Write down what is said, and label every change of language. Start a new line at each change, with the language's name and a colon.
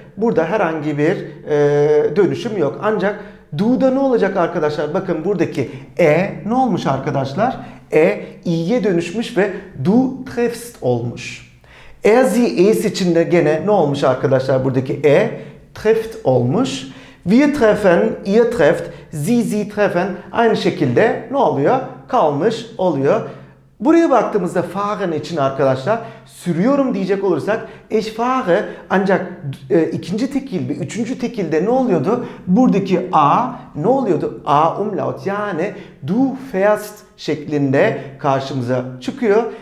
Turkish: Burada herhangi bir dönüşüm yok. Ancak du'da ne olacak arkadaşlar? Bakın buradaki e ne olmuş arkadaşlar? E i'ye dönüşmüş ve
German: du treffst
Turkish: olmuş. Er sie es için de gene ne olmuş arkadaşlar? Buradaki e trifft olmuş.
German: Wir treffen, ihr trefft, sie, sie treffen.
Turkish: Aynı şekilde ne oluyor? Kalmış oluyor. Buraya baktığımızda fahren için arkadaşlar sürüyorum diyecek olursak
German: ich fahre
Turkish: ancak ikinci tekil bir üçüncü tekilde ne oluyordu? Buradaki a ne oluyordu? A umlaut yani
German: du fährst
Turkish: şeklinde karşımıza çıkıyor.